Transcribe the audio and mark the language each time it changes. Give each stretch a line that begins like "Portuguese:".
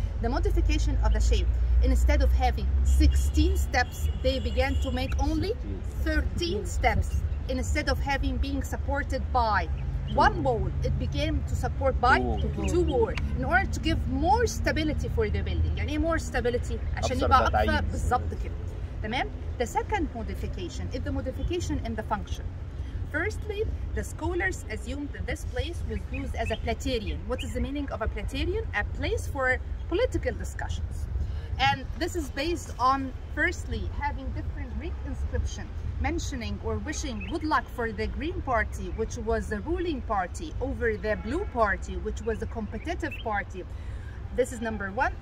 English: The modification of the shape. Instead of having 16 steps, they began to make only 13 steps. Instead of having being supported by one wall, it began to support by two walls in order to give more stability for the building.
Arabic: يعني
English: more stability
Arabic: عشان يبقى أكثر بالضبط كده. تمام؟
English: The second modification is the modification in the function. Firstly, the scholars assumed that this place was used as a platerion. What is the meaning of a platerion? A place for political discussions. And this is based on, firstly, having different Greek inscriptions mentioning or wishing good luck for the Green Party, which was the ruling party, over the Blue Party, which was the competitive party. This is number one.